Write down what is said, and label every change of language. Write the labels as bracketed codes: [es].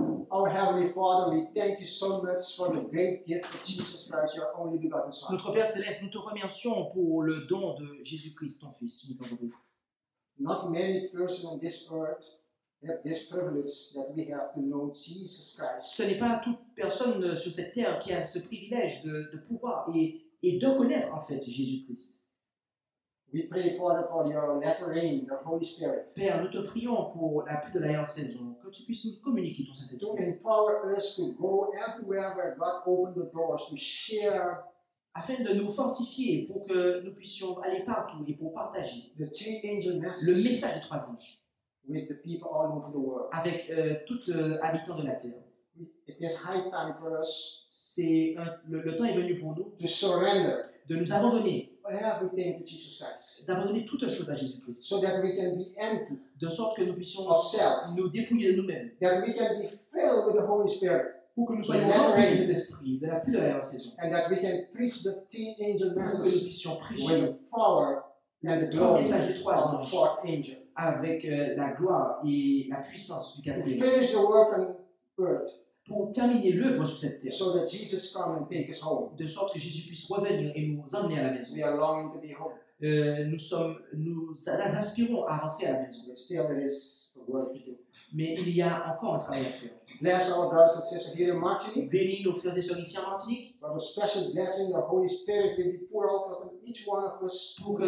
[en] Our Heavenly Father, we thank you so much for the great gift of Jesus Christ, your only begotten Son. [fr] Notre Père Céleste, nous te remercions pour le don de Jésus-Christ, ton Fils. [en] Not many persons on this earth have this privilege that we have to know Jesus Christ. [fr] Ce n'est pas toute personne sur cette terre qui a ce privilège de pouvoir et de connaître en fait Jésus-Christ. [en] We pray, Father, for your latter rain, the Holy Spirit. [fr] Père, nous te prions pour la pluie de la dernière saison, que tu puisses nous communiquer ton Saint-Esprit. [en] To empower us to go everywhere where God opened the doors to share. [fr] Afin de nous fortifier pour que nous puissions aller partout et pour partager. [en] The three angel message. [fr] Le message des trois anges. [en] With the people all over the world. [fr] Avec tous habitants de la terre. [en] It is high time for us. [fr] C'est le temps est venu pour nous. [en] To surrender. [fr] De nous abandonner. [en] Everything to Jesus Christ. [fr] D'abandonner toutes choses à Jésus Christ. [en] So that we can be empty. [fr] De sorte que nous puissions [en] ourselves. [fr] Nous dépouiller de nous-mêmes. [en] That we can be filled with the Holy Spirit. [fr] Pour que nous soyons remplis de l'Esprit de la plus de la dernière saison. [en] And that we can preach the three angel message. [fr] Pour que nous puissions prêcher. [en] With the power and the glory of the fourth angel. [fr] Avec la gloire et la puissance du quatrième. [en] To finish the work on earth. [fr] Pour terminer l'œuvre sur cette terre. [en] So that Jesus come and take us home. [fr] De sorte que Jésus puisse revenir et nous emmener à la maison. [en] We are longing to be home. [fr] Nous aspirons à rentrer à la maison. [en] But still there is work to do. [fr] Mais il y a encore un travail à faire. [en] Bless our brothers and sisters here in Martinique. [fr] Bénis nos frères et sœurs ici en Martinique. [en] For a special blessing, the Holy Spirit will be poured out upon each one of us.